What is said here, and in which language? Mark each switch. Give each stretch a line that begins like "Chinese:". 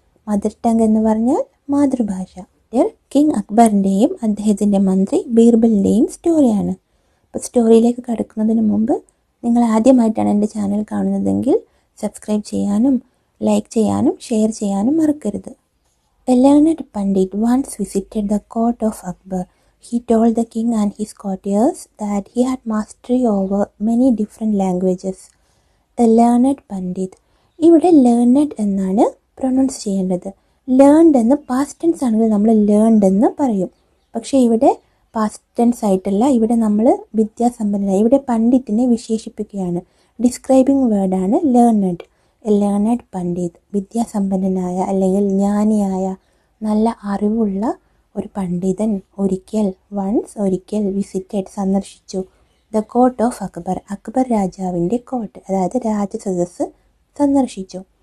Malayalam: Mother tongue എന്ന് പറഞ്ഞാൽ മാതൃഭാഷ. കിങ് അക്ബറിൻ്റെയും അദ്ദേഹത്തിൻ്റെ മന്ത്രി ബീർബലിൻ്റെയും സ്റ്റോറിയാണ്. അപ്പോൾ സ്റ്റോറിയിലേക്ക് കടക്കുന്നതിന് മുമ്പ്, നിങ്ങൾ ആദ്യമായിട്ടാണ് എൻ്റെ ചാനൽ കാണുന്നതെങ്കിൽ സബ്സ്ക്രൈബ് ചെയ്യാനും ലൈക്ക് ചെയ്യാനും ഷെയർ ചെയ്യാനും മറക്കരുത്.
English: A learned Pandit once visited the court of Akbar. He told the king and his courtiers that he had mastery over many different languages. A learned Pandit.
Malayalam: ഇവിടെ learned എന്നാണ് pronounce ചെയ്യേണ്ടത്. Learned എന്ന് past tense ആണെങ്കിൽ നമ്മൾ learned എന്ന് പറയും. പക്ഷേ ഇവിടെ past tense ആയിട്ടല്ല, ഇവിടെ നമ്മൾ വിദ്യാസമ്പന്നരായി, ഇവിടെ പണ്ഡിറ്റിനെ വിശേഷിപ്പിക്കുകയാണ്. ഡിസ്ക്രൈബിംഗ് വേർഡാണ് learned.
English: a learned pandit,
Malayalam: വിദ്യാസമ്പന്നനായ അല്ലെങ്കിൽ ജ്ഞാനിയായ, നല്ല അറിവുള്ള ഒരു പണ്ഡിതൻ ഒരിക്കൽ, വൺസ് ഒരിക്കൽ വിസിറ്റഡ്, സന്ദർശിച്ചു
English: the court of Akbar,
Malayalam: Akbar രാജാവിൻ്റെ കോർട്ട്, അതായത് രാജസദസ്സ് സന്ദർശിച്ചു.